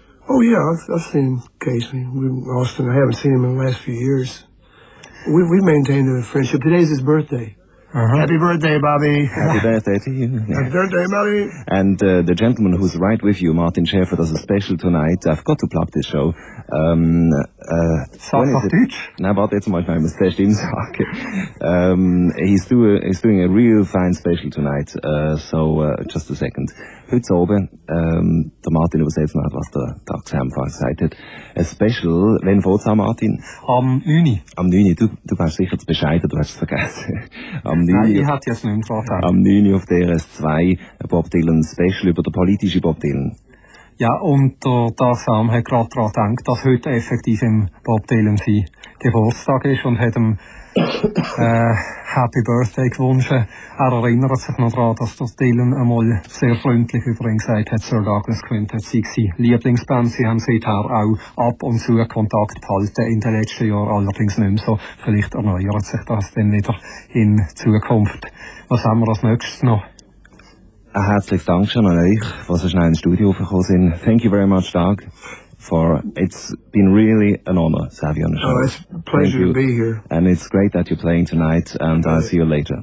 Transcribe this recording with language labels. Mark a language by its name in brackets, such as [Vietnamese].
[English] Oh yeah, I've seen Casey in Austin. I haven't seen him in the last few years. We maintained a friendship. Today's his birthday. Uh-huh. Happy birthday, Bobby. Happy birthday to you. Happy birthday, Bobby. And the gentleman who's right with you, Martin Schäfer, does a special tonight. I've got to plug this show. [German] Sag auf Deutsch. Nein, warte jetzt mal, ich muss das ihm sagen. [English] He's doing a real fine special tonight. Just a second. [German] Heute oben, der Martin übersetzt noch, was der Tag zusammenfasst, gesagt hat. Ein Special, wann fährt es an, Martin? Am 9. Am 9. Du bist sicher zu bescheiden, du hast es vergessen. Am 9. Nein, ich hatte es nicht vorgetragen. Am 9. auf DRS2, Bob Dylan Special über den politischen Bob Dylan. Ja, und der Dagsam hat gerade daran gedacht, dass heute effektiv im Bob Dylan sein Geburtstag ist und hat ihm Happy Birthday gewünscht. Er erinnert sich noch daran, dass der Dylan einmal sehr freundlich über ihn gesagt hat, Sir Douglas Quintet sei seine Lieblingsband. Sie haben seither auch ab und zu Kontakt gehalten in den letzten Jahren, allerdings nicht mehr so. Vielleicht erneuert sich das dann wieder in Zukunft. Was haben wir als nächstes noch? Ein herzliches Dankeschön an euch, was ihr schnell ins Studio gekommen sind. [English] Thank you very much, Doug. It's been really an honor to have you on the show. Oh, it's a pleasure to be here. And it's great that you're playing tonight, and I'll see you later.